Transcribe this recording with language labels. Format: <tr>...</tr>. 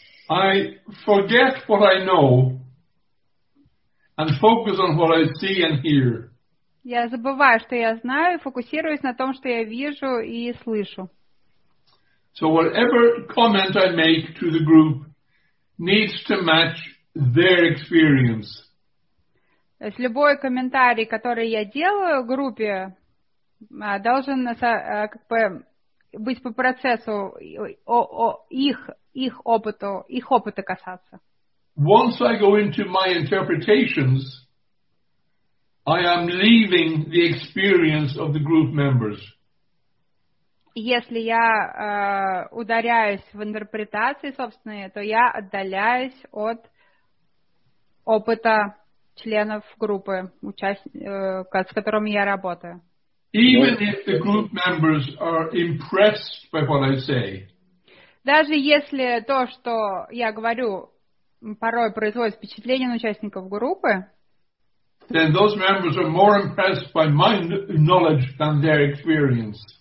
<en>I forget what I know and focus on what I see and hear.</en> <ru>Я забываю, что я знаю, и фокусируюсь на том, что я вижу и слышу.</ru> <en>So whatever comment I make to the group needs to match their experience.</en> <ru>То есть любой комментарий, который я делаю в группе, должен как бы быть по процессу их опыта касаться.</ru> <en>Once I go into my interpretations, I am leaving the experience of the group members.</en> <ru>Если я ударяюсь в интерпретации собственные, то я отдаляюсь от опыта членов группы, с которым я работаю.</ru> <en>Even if the group members are impressed by what I say.</en> <ru>Даже если то, что я говорю, порой производит впечатление на участников группы,</ru> <en>then those members are more impressed by my knowledge than their experience.</en>